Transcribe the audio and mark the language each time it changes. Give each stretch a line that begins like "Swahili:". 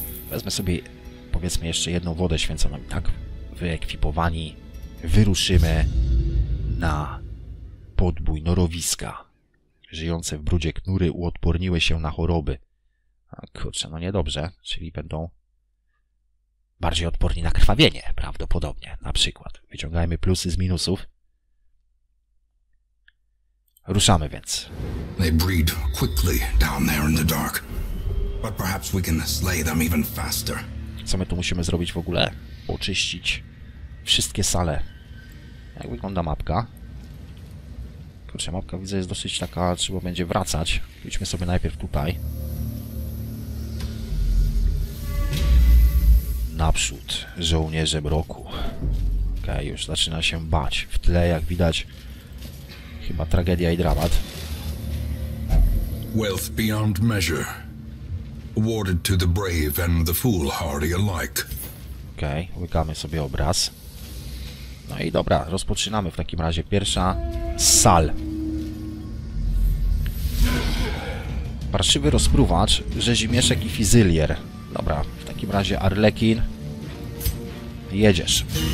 Polish: Weźmy sobie, powiedzmy, jeszcze jedną wodę święconą, tak wyekwipowani, wyruszymy na podbój norowiska. Żyjące w brudzie knury uodporniły się na choroby. A kurczę, no niedobrze, czyli będą... Bardziej odporni na krwawienie, prawdopodobnie, na przykład. Wyciągajmy plusy z minusów. Ruszamy więc.
English: They breed quickly down there in the dark. But perhaps we can slay them even faster.
Polish: Co my tu musimy zrobić w ogóle? Oczyścić wszystkie sale. Jak wygląda mapka? Kurczę, mapka widzę jest dosyć taka, trzeba będzie wracać. Pójdźmy sobie najpierw tutaj. Naprzód, żołnierze mroku. Okej, już zaczyna się bać. W tle, jak widać, chyba tragedia i dramat.
English: Wealth beyond measure. Awarded to the brave and the foolhardy alike.
Polish: Okej, łykamy sobie obraz. No i dobra, rozpoczynamy w takim razie. Pierwsza sal. Parszywy rozpruwacz, rzezimieszek i fizylier. Dobra, w takim razie Arlekin. Jedziesz.